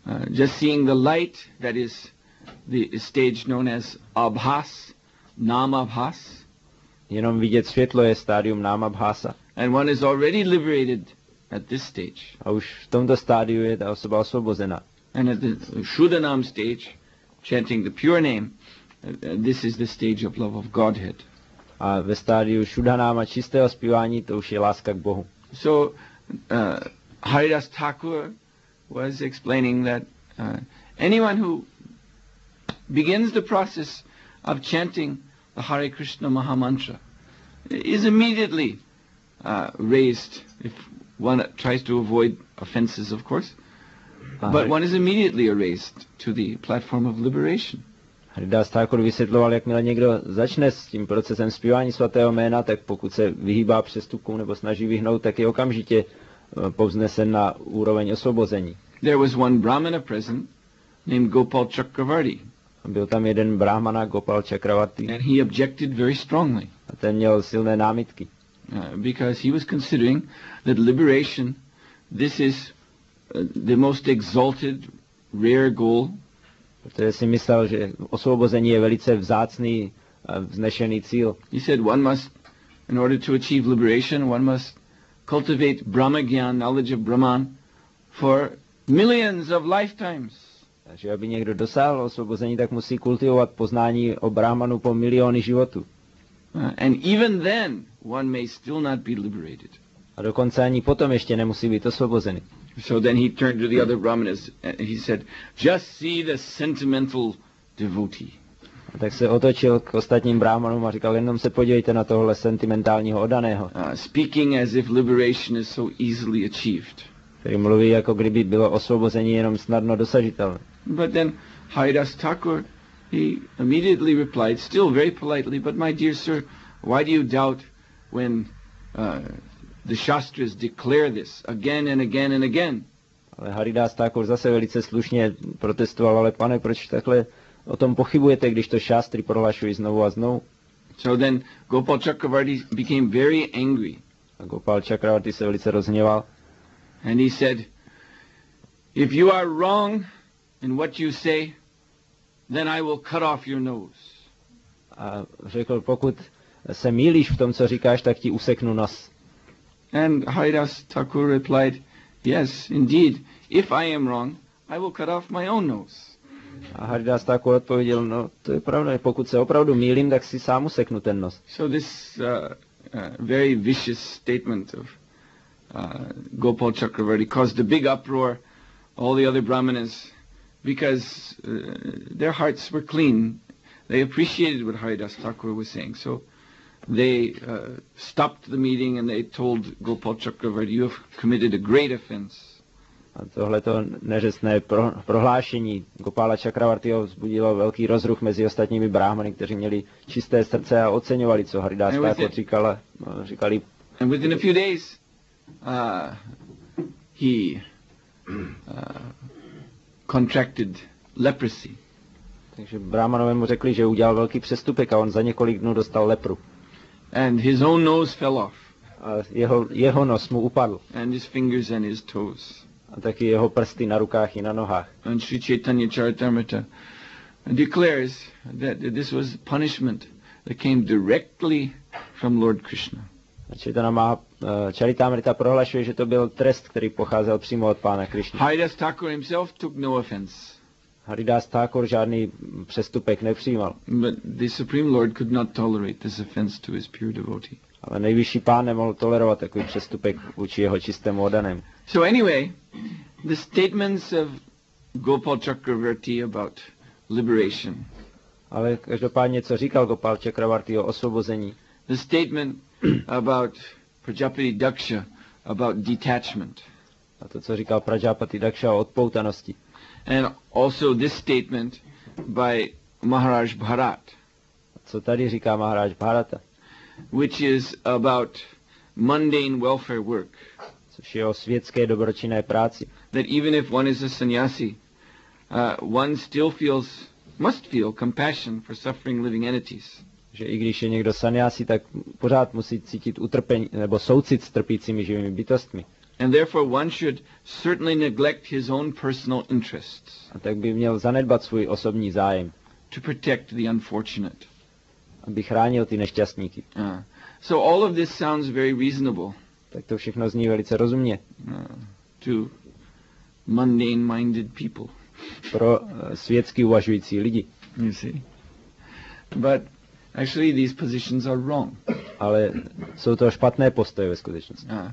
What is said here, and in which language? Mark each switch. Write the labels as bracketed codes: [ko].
[en] Just seeing the light, that is the stage known as abhas, namabhas. [cs] Jenom vidět světlo je stádium namabhasa. [en] And one is already liberated at this stage. [cs] A už v tomto stádiu je ta osoba osvobozena. [en] And at the shudanam stage, chanting the pure name, this is the stage of love of Godhead. [cs] A ve stádiu shudanama čistého zpívání to už je láska k Bohu. [en] So Haridas Thakur was explaining that anyone who begins the process of chanting the Hare Krishna Maha Mantra is immediately raised, if one tries to avoid offenses, of course, but one is immediately raised to the platform of liberation. [cs] Haridas Thakur vysvětloval, jakmile někdo začne s tím procesem zpívání svatého jména, tak pokud se vyhýbá přestupkům nebo snaží vyhnout, tak je okamžitě povznesen na úroveň osvobození. [en] There was one Brahmana present named Gopal Chakravarti. [cs] Byl tam jeden Brahmana Gopal Chakravarti. [en] And he objected very strongly. [cs] A ten měl silné námitky. [en] Because he was considering that liberation, this is the most exalted, rare goal. [cs] Protože si myslel, že osvobození je velice vzácný a vznešený cíl. [en] He said one must, in order to achieve liberation, one must cultivate Brahmagyan, knowledge of Brahman, for millions of lifetimes. [cs] Takže aby někdo dosáhl osvobození, tak musí kultivovat poznání o Brahmanu po miliony životů. [en] And even then, one may still not be liberated. [cs] A dokonce ani potom ještě nemusí být osvobozený. [en] So then he turned to the other Brahmanas and he said, just see the sentimental devotee. [cs] A tak se otočil k ostatním Brahmanům a říkal, jenom se podívejte na tohle sentimentálního odaného. [en] Speaking as if liberation is so easily achieved. [cs] Který mluví, jako kdyby bylo osvobození jenom snadno dosažitelné. [en] But then Haridas Thakur, he immediately replied, still very politely, but my dear sir, why do you doubt when the Shastras declare this again and again and again? [cs] Ale Haridas Thakur zase velice slušně protestoval, ale pane, proč takhle o tom pochybujete, když to Shastry prohlašují znovu a znovu? [en] So then Gopal Chakravarti became very angry. [cs] A Gopal Chakravarti se velice rozhněval. [en] And he said, if you are wrong in what you say, then I will cut off your nose. [cs] A řekl, pokud se mýlíš v tom, co říkáš, tak ti useknu nos. [en] And Haridas Thakur replied, yes, indeed, if I am wrong, I will cut off my own nose. [cs] A Haridas Thakur odpověděl, no to je pravda, pokud se opravdu mýlím, tak si sám useknu ten nos. [en] So this very vicious statement of Gopal Chakravarti caused a big uproar, all the other brahmanas, because their hearts were clean. They appreciated what Haridas Thakur was saying. So they stopped the meeting and they told Gopal Chakravarti, you have committed a great offense. [cs] A tohleto neřestné prohlášení Gopala Chakravartiho vzbudilo velký rozruch mezi ostatními brahmany, kteří měli čisté srdce a oceňovali, co Haridas Thakur říkali. [en] And within a few days, he contracted leprosy. [cs] Takže brahmanové mu řekli, že udělal velký přestupek a on za několik dnů dostal lepru. [en] And his own nose fell off. [cs] A jeho nos mu upadl. [en] And his fingers and his toes. [cs] a taky jeho prsty na rukách i na nohách. [en] And Sri Chaitanya Charitamrita declares that this was punishment that came directly from Lord Krishna. [cs] Chaitanya Charitamrita prohlašuje, že to byl trest, který pocházel přímo od pána Krishna. [en] Haridas Thakur himself took no offense. [cs] Haridas Thakur žádný přestupek nepřijímal. [en] But the Supreme Lord could not tolerate this offense to his pure devotee. [cs] Ale nejvyšší pán nemohl tolerovat takový přestupek vůči jeho čistému oddaném. [en] So anyway, the statements of Gopal Chakravarti about liberation. [cs] Ale každopádně, co říkal Gopal Chakravarti o osvobození. [en] The statement about Prajapati Daksha about detachment. [cs] A to, co říkal Prajapati Daksha o odpoutanosti. [en] And also this statement by Maharaj Bharat. [cs] A co tady říká Maharaj Bharata? [en] Which is about mundane welfare work. [cs] Což je o světské dobročinné práci. [en] That even if one is a sannyasi, one still must feel compassion for suffering living entities. [cs] Že i když je někdo sannyasi, tak pořád musí cítit utrpení nebo soucit s trpícími živými bytostmi. [en] And therefore one should certainly neglect his own personal interests. [cs] A tak by měl zanedbat svůj osobní zájem. [en] To protect the unfortunate. [cs] Aby chránil ty nešťastníky. [en] So all of this sounds very reasonable. [cs] Tak to všechno zní velice rozumně. [en] To mundane-minded people. [cs] Pro světsky uvažující lidi. [en] You see. But actually these positions are wrong. [cs] Ale jsou to špatné postoje ve skutečnosti.